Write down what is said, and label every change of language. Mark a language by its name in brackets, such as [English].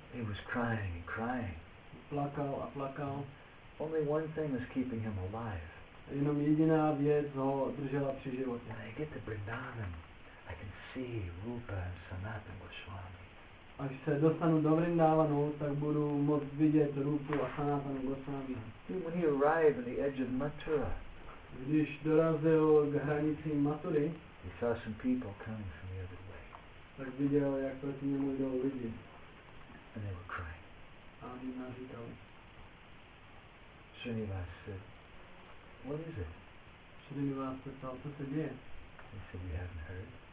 [English] He was crying and crying. [Czech] Plakal a plakal. [English] Only one thing is keeping him alive. [Czech] Jenom jediná vec ho držela pri živote. [English] When I get to Vrindavan, I can see Rupa and Sanatan Goswami. [Czech] A když se dostanu do Vrindávanu, tak budu moct vidět Rupu a Sanatan Goswami. [English] When he arrived at the edge of Mathura, [Czech] když dorazil k hranici Mathury, [English] he saw some people coming from the other way. [Czech] Tak viděl, jak proti němu jdou lidi. [English] And they were crying. [Czech] A oni nám říkali. [English] Srinivas said, what is it? [Czech] Srinivas se ptal, co se děje? [English] He said, you haven't heard.